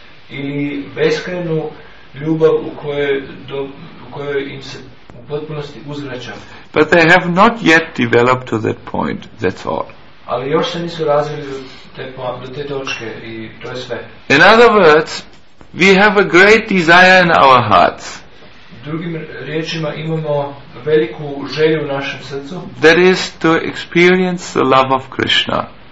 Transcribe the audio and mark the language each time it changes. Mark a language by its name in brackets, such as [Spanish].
[Croatian] Ili beskrajnu ljubav u kojoj im se u potpunosti uzvraća. [English] But they have not yet developed to that point, that's all. [Croatian] Ali još se nisu razvili do te točke i to je sve. [English] In other words, we have a great desire in our hearts. [Croatian] Drugim riječima, imamo veliku želju u našem srcu. [English] That is to experience the love of Krishna.